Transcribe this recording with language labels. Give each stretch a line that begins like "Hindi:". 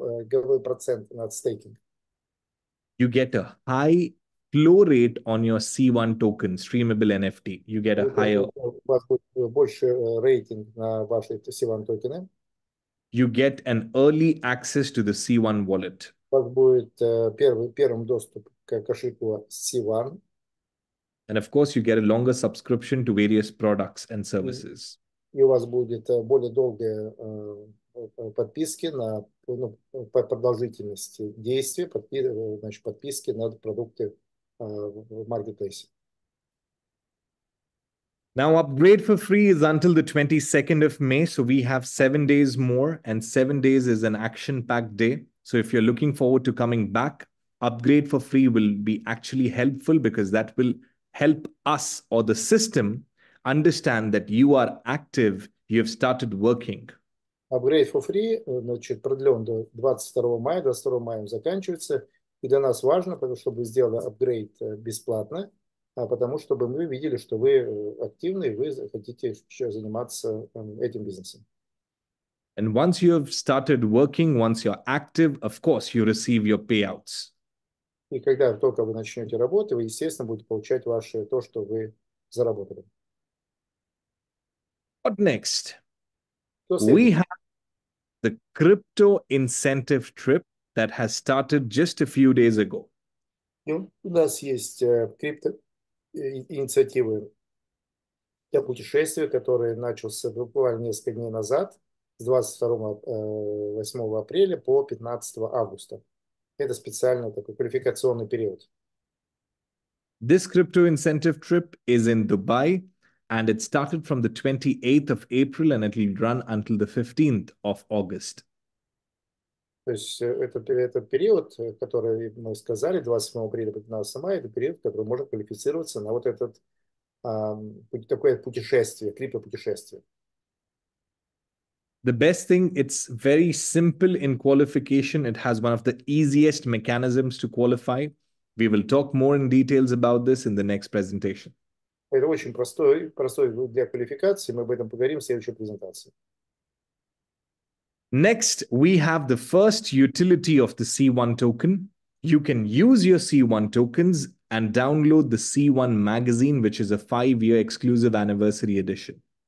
Russian: Годовой процент на стейкинг.
English: You get a high flow rate on your C1 token, streamable NFT. You get a higher.
Russian: У вас будет больше рейтинг на ваши C1 токены.
English: You get an early access to the C1 wallet.
Russian: У вас будет первым доступ к кошельку C1.
English: And of course, you get a longer subscription to various products and services.
Russian: И у вас будет более долгие подписки на по продолжительности действия, подписки на продукты в маркетплейсе.
English: Now, upgrade for free is until the 22nd of May, so we have 7 days more, and 7 days is an action-packed day. So if you're looking forward to coming back, upgrade for free will be actually helpful, because that will help us or the system understand that you are active, you have started working.
Russian: Upgrade for free, значит, продлен до 22 мая, 22 мая заканчивается. И для нас важно, потому чтобы сделали апгрейд бесплатно, а потому чтобы мы видели, что вы активны, вы хотите еще заниматься этим бизнесом.
English: And once you have started working, once you're active, of course, you receive your payouts.
Russian: И когда только вы начнете работать, вы, естественно, будете получать ваше то, что вы заработали.
English: What next? We have the crypto incentive trip that has started just a few days ago.
Russian: У нас есть крипто инициативы для путешествия, который начался буквально несколько дней назад, с 22-8 апреля по 15 августа. Это специальный такой квалификационный период.
English: This crypto incentive trip is in Dubai. And it started from the 28th of April and it will run until the 15th of August.
Russian: То есть это период, который мы сказали, 28 апреля, 15 мая, это период, который может квалифицироваться на вот этот такое путешествие, криптопутешествие.
English: The best thing, it's very simple in qualification. It has one of the easiest mechanisms to qualify. We will talk more in details about this in the next presentation.
Russian: Это очень простой для квалификации. Мы об этом поговорим в следующей презентации.
English: Next, we have the first utility of the C1 token. You can use your C1 tokens and download the C1 magazine, which is a 5-year exclusive anniversary edition.